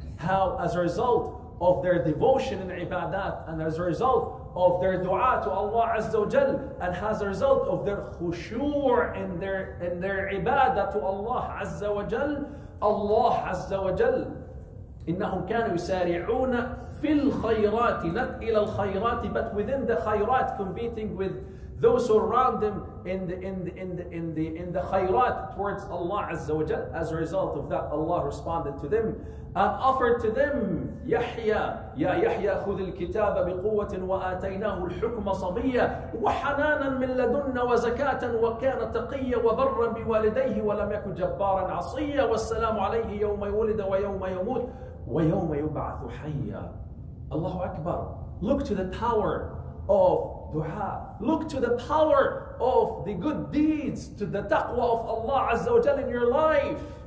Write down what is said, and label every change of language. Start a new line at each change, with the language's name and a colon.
English: how as a result of their devotion in ibadat and as a result of their dua to Allah Azza wa Jal and as a result of their khushu' in their ibadah to Allah Azza wa Jal, Allah Azza wa Jal,
Arabic: إِنَّهُمْ كَانُوا يُسَارِعُونَ فِي الْخَيْرَاتِ
English: not
Arabic: إِلَى الْخَيْرَاتِ
English: but within the khayrat, competing with those who around them in the khayrat towards Allah Azza wa Jal. As a result of that, Allah responded to them
Arabic: and offered to them يَحْيَى يَا يَحْيَى خُذِ الْكِتَابَ بِقُوَّةٍ وَآتَيْنَاهُ الْحُكْمَ صَبِيًّا وَحَنَانًا مِنْ لَدُنَّ وَزَكَاةً وَكَانَ تَقِيًّا وَبَرًّا بِوَالِدَيْهِ وَلَمْ يَكُنْ جَبَّارًا عَصِيًّا وَالسَّلَامُ عَلَيْهِ يَوْمَ يُولِدَ وَيَوْمَ يَمُوتُ وَيَوْمَ يُبْعَثُ حَيًّا.
English: Allahu Akbar. Look to the power of dua. Look to the power of the good deeds, to the taqwa of Allah Azza wa Jalla in your life.